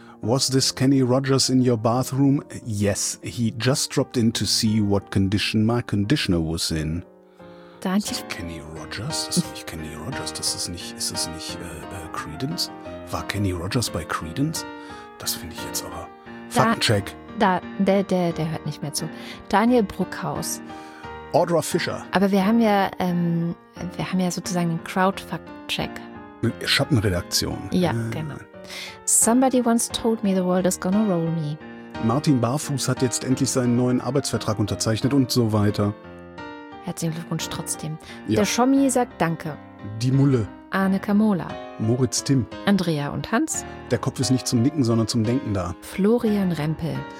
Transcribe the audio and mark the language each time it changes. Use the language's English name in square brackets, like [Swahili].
[English] Was this Kenny Rogers in your bathroom? Yes, he just dropped in to see what condition my conditioner was in. [German] Daniel. Ist das Kenny Rogers? Das ist nicht Kenny Rogers. Das ist nicht, Credence? War Kenny Rogers bei Credence? Das finde ich jetzt aber. Faktencheck. Der hört nicht mehr zu. Daniel Bruckhaus. Audra Fischer. Aber wir haben ja sozusagen einen Crowd-Faktencheck. Eine Schattenredaktion. Ja, genau. [English] Somebody once told me the world is gonna roll me. [German] Martin Barfuß hat jetzt endlich seinen neuen Arbeitsvertrag unterzeichnet und so weiter. Herzlichen Glückwunsch trotzdem. Ja. Der Schommi sagt Danke. Die Mulle. Arne Kamola. Moritz Timm. Andrea und Hans. Der Kopf ist nicht zum Nicken, sondern zum Denken da. Florian Rempel.